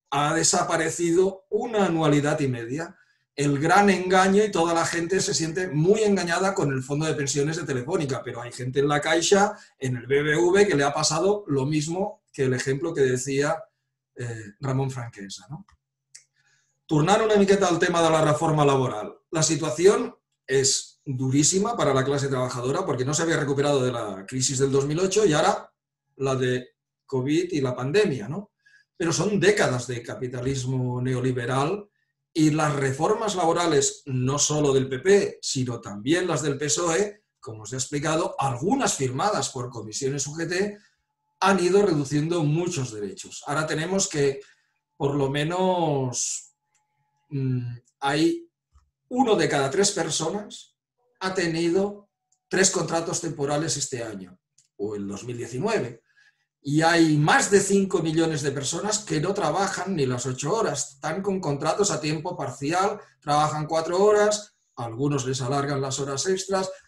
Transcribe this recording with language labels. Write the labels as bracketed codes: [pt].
[es] Ha desaparecido 1 anualidad y media. El gran engaño, y toda la gente se siente muy engañada con el fondo de pensiones de Telefónica, pero hay gente en la Caixa, en el BBV, que le ha pasado lo mismo que el ejemplo que decía Ramón Franquesa, ¿no? [ca] Tornant una miqueta al tema de la reforma laboral. La situació és duríssima per a la classe treballadora perquè no s'havia recuperat de la crisi del 2008 i ara la de Covid i la pandèmia, no? Però són dècades de capitalisme neoliberal i les reformes laborals, no solo del PP, sinó també les del PSOE, com us he explicat, algunes firmades per Comissions UGT, [es] han ido reduciendo muchos derechos. Ara tenemos que, por lo menos, hay 1 de cada 3 personas ha tenido 3 contratos temporales este año o el 2019 y hay más de 5 millones de personas que no trabajan ni las 8 horas, están con contratos a tiempo parcial, trabajan 4 horas, algunos les alargan las horas extras.